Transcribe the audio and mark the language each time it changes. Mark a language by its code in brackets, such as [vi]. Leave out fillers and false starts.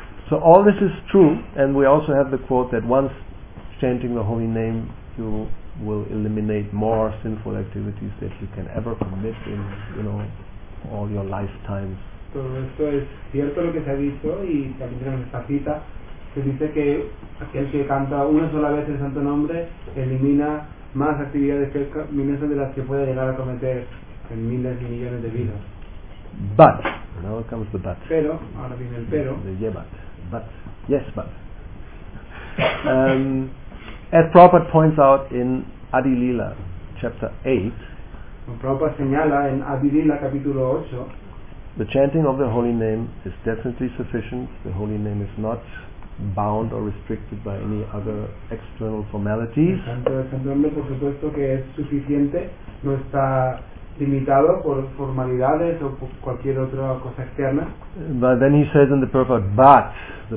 [en] So all this is true, and we also have the quote that once chanting the holy name, you will eliminate more sinful activities that you can ever commit in, you know, all your lifetimes. [es] Todo esto es cierto lo que se ha dicho, y también tenemos esta cita que dice que aquel que canta una sola vez el santo nombre elimina más actividades que miles de las que puede llegar a cometer en miles y millones de vidas. [en] But now comes the but. [es] Pero, ahora viene el pero. The yebat. [en] But yes, but as Prabhupada points out in Adi Lila, chapter 8, [es] Prabhupada señala en Adi Lila, capítulo 8, [en] the chanting of the holy name is definitely sufficient. The holy name is not bound or restricted by any other external formalities. [es] El canto del santo nombre, por supuesto, que es suficiente, no está limitado por formalidades o por cualquier otra cosa externa. [en] But then he says in the purport, but the